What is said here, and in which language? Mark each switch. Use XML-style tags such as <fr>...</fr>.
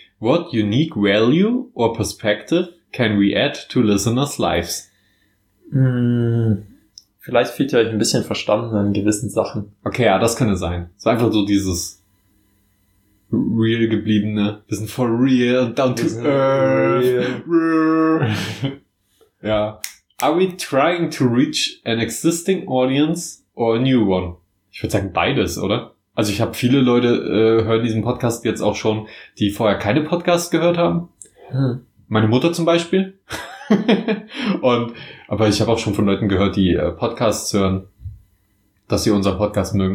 <en>What unique value or perspective can we add to listeners' lives?</en> <de>Vielleicht fehlt ihr euch ein bisschen verstanden in gewissen Sachen. Okay, ja, das könnte sein. Es ist einfach so dieses real gebliebene. Wir sind</de> <en>for real, down to earth.</en> <de>Ja.</de> <en>Are we trying to reach an existing audience or a new one?</en> <de>Ich würde sagen beides, oder? Also ich habe viele Leute hören diesen Podcast jetzt auch schon, die vorher keine Podcasts gehört haben. Meine Mutter zum Beispiel. Aber ich habe auch schon von Leuten gehört, die Podcasts hören, dass sie unseren Podcast mögen.</de>